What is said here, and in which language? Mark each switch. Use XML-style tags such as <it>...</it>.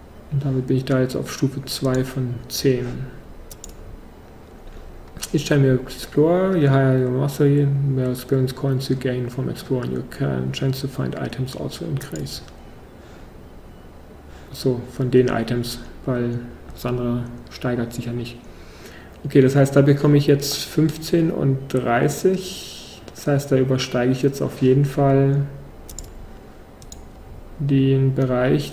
<de>Und damit bin ich da jetzt auf Stufe 2 von 10.</de> <en>Each time you explore, you higher your mastery, more experience coins you gain from exploring, your chance to find items also increase.</en> <de>So, von den Items, weil das andere steigert sich ja nicht. Okay, das heißt, da bekomme ich jetzt 15 und 30. Das heißt, da übersteige ich jetzt auf jeden Fall den Bereich.</de>